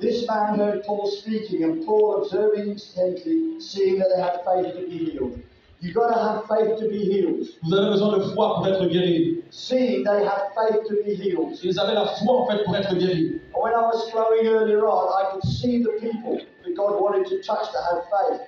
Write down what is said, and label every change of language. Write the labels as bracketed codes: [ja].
[en] This man heard Paul speaking, and Paul observing intently, seeing that they had faith to be healed. You've got to have faith to be healed. [fr] Vous avez besoin de foi pour être guéri. [en] See, they have faith to be healed. [fr] Ils avaient la foi en fait pour être guéri. [en] When I was growing earlier on, I could see the people that God wanted to touch to have faith.